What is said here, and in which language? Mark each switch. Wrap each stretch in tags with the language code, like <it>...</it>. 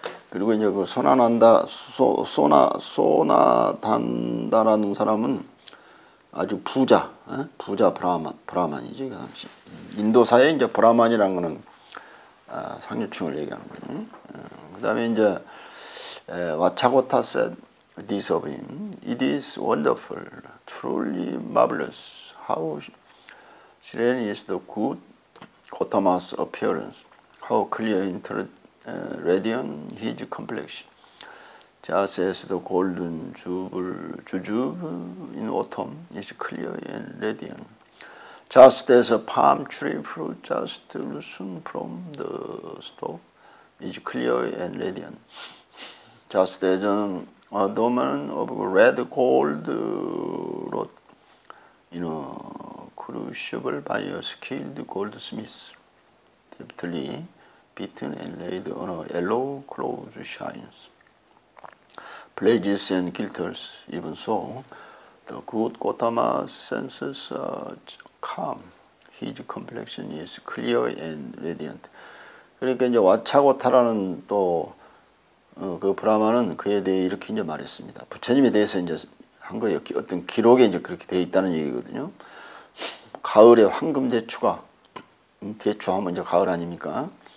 <ko>그리고 이제 그 소나단다라는 사람은 아주 부자, 부자 브라만이죠, 그 당시. 인도사에 이제 브라만이라는 거는 상류층을 얘기하는 거죠. 그 다음에 이제,</ko> <en>와차고타 said this of him. It is wonderful, truly marvelous how serene is the good Gotama's appearance, how clear and radiant his complexion, just as the golden jujube in autumn is clear and radiant, just as a palm tree fruit just loosened from the stalk is clear and radiant, just as an adornment of red gold wrought in a crucible by a skilled goldsmith, deeply beaten and laid on a yellow cloth shines. Blazes and glitters, even so, the good Gotama's senses are calm. His complexion is clear and radiant.</en> <ko>그러니까 이제 와차고타라는 또 그 브라마는 그에 대해 이렇게 이제 말했습니다. 부처님에 대해서 이제 한 거예요. 어떤 기록에 이제 그렇게 되어 있다는 얘기거든요. 가을에 황금 대추가, 대추하면 이제 가을 아닙니까?</ko>